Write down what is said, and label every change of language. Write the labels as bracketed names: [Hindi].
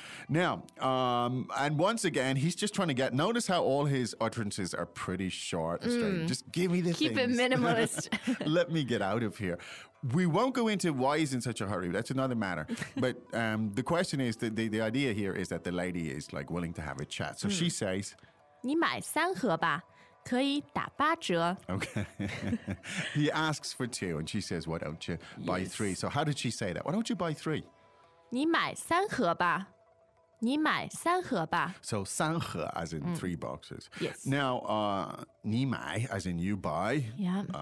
[English] Now, and once again, he's just trying to get... Notice how all his utterances are pretty short and straight. Just give me the Keep things. It minimalist. Let me get out of here. We won't go into why he's in such a hurry. That's another matter. But the question is, the idea here is that the lady is like willing to have a chat. So she says... [Chinese] 你买三盒吧,可以打八折. [English] Okay. He asks for two and she says, why don't you buy yes. three? So how did she say that? Why don't you buy three? [Chinese] 你买三盒吧.你买三盒吧. [English] So [Chinese] 三盒 [English] as in three boxes. Yes. Now, [Chinese] 你买 [English] as in you buy. Yeah.